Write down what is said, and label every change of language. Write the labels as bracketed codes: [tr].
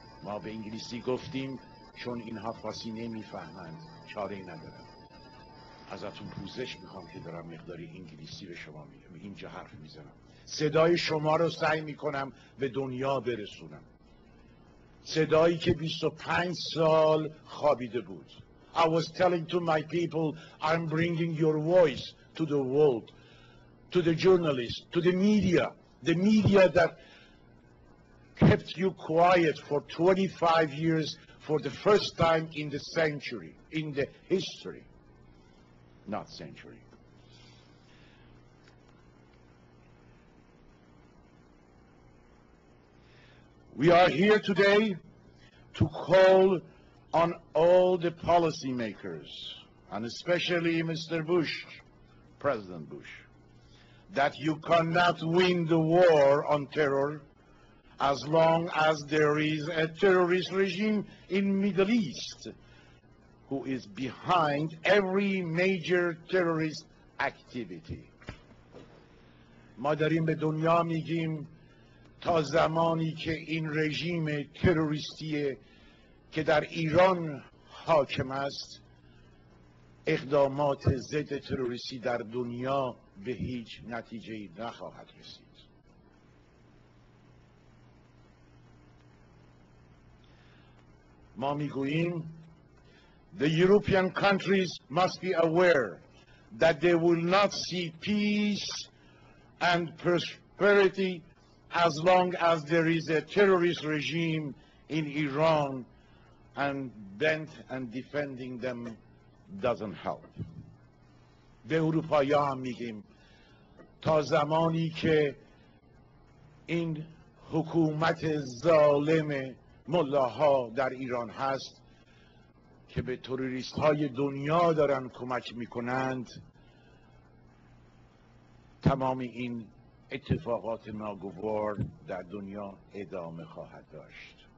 [fa] ما به انگلیسی گفتیم چون اینها فارسی نمیفهمند چاره ندارم. ازتون پوزش میخوام که دارم مقداری انگلیسی به شما میگم، اینجا حرف میزنم. صدای شما رو سعی میکنم به دنیا برسونم. صدایی که 25 سال خوابیده بود. [en] I was telling to my people, I'm bringing your voice to the world, to the journalists, to the media that kept you quiet for 25 years for the first time in the century, in the history, not century. We are here today to call on all the policy makers, and especially Mr. Bush, President Bush, that you cannot win the war on terror as long as there is a terrorist regime in Middle East who is behind every major terrorist activity. [fa] ما داریم به دنیا میگیم تا زمانی که این رژیم تروریستیه که در ایران حاکم است، اقدامات ضد تروریستی در دنیا به هیچ نتیجه نخواهد رسید. ما میگوییم [en] the European countries must be aware that they will not see peace and prosperity as long as there is a terrorist regime in Iran and bent and defending them doesn't help. [fa] به اروپایی ها هم میگیم تا زمانی که این حکومت ظالم ملاها در ایران هست که به تروریست های دنیا دارن کمک میکنند، تمام این اتفاقات ناگوار در دنیا ادامه خواهد داشت.